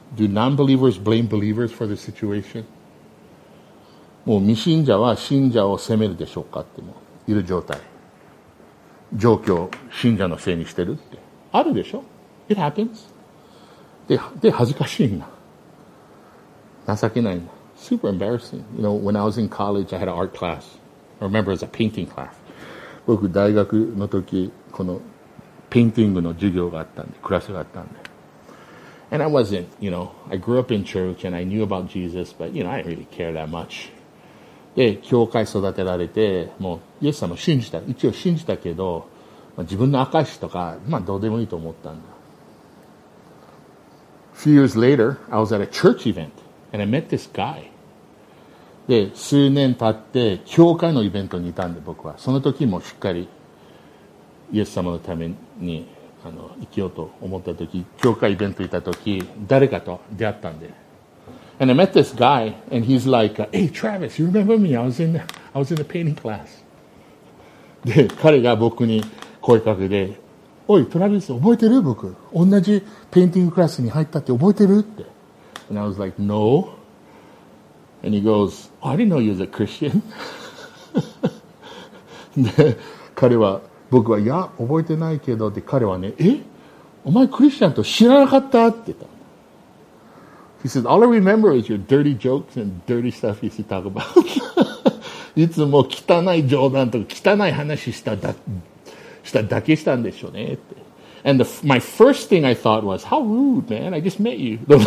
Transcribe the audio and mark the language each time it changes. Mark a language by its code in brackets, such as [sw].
[en] Do non-believers blame believers for the situation? [ja] もう未信者は信者を責めるでしょうかって、もういる状態、状況、信者のせいにしてるってあるでしょ。 [en] It happens. [ja] で恥ずかしいな、情けないな。 [en] Super embarrassing. You know, when I was in college, I had an art class. I remember it was a painting class. [ja] 僕、大学の時、この、ペインティングの授業があったんで、クラスがあったんで。 [en] And I wasn't, you know, I grew up in church and I knew about Jesus, but, you know, I didn't really care that much. [ja] で、教会育てられて、もう、イエス様信じた。一応信じたけど、まあ、自分の証しとか、まあ、どうでもいいと思ったんだ。 [en] Few years later, I was at a church event. And I met this guy. [ja] で、数年経って教会のイベントにいたんで、僕はその時もしっかりイエス様のために生きようと思った時、教会イベントにいた時、誰かと出会ったんで。 [en] And I met this guy and he's like, Hey Travis, you remember me? I was in the painting class. [ja] で、彼が僕に声かけて、おいトラビス、覚えてる？僕同じペインティングクラスに入ったって覚えてる？って。 [en] And I was like, no. And he goes, oh, I didn't know you was a Christian. [ja] で、彼は、僕は、いや、覚えてないけど、で、彼はね、え？お前クリスチャンと知らなかったって言った。 [en] He said, all I remember is your dirty jokes and dirty stuff you used to talk about. [ja] いつも汚い冗談とか汚い話しただけしたんでしょうねって。 [en] And my first thing I thought was, how rude, man, I just met you.